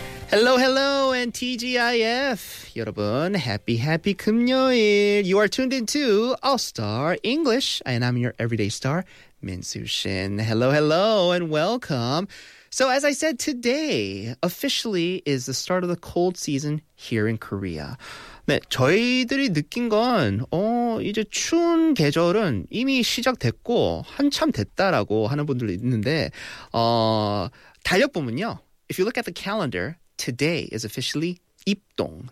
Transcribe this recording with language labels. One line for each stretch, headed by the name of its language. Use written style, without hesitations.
English: Hello, hello, and TGIF.
Korean: 여러분,
English: happy, happy
Korean: 금요일.
English: You are tuned in to All Star English, and I'm your everyday star, Minsoo Shin. Hello, hello, and welcome. So as I said, today officially is the start of the cold season here in Korea.
Korean: 네, 저희들이 느낀 건 이제 추운 계절은 이미 시작됐고 한참 됐다라고 하는 분들도 있는데 달력 보면요.
English: If you look at the calendar, today is officially 입동.